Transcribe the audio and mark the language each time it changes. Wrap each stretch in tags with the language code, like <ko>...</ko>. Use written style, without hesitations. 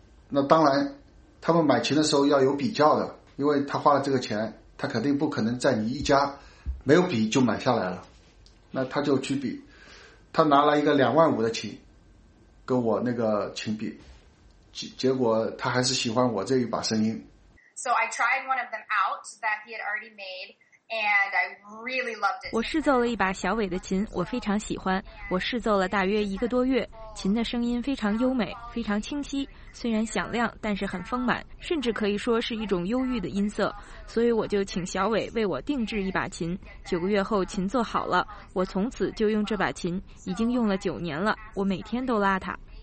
<zh>那当然他们买琴的时候要有比较的，因为他花了这个钱，他肯定不可能在你一家没有比就买下来了，那他就去比，他拿了一个25000的琴跟我那个琴比，结果他还是喜欢我这一把声音。</zh> <en>So I tried one of them out that he had already made and I really loved it.</en> <zh>我试奏了一把小伟的琴，我非常喜欢，我试奏了大约一个多月，琴的声音非常优美，非常清晰，虽然响亮但是很丰满，甚至可以说是一种忧郁的音色，所以我就请小伟为我定制一把琴。 9个月后琴做好了，我从此就用这把琴，已经用了9年了，我每天都拉它。</zh>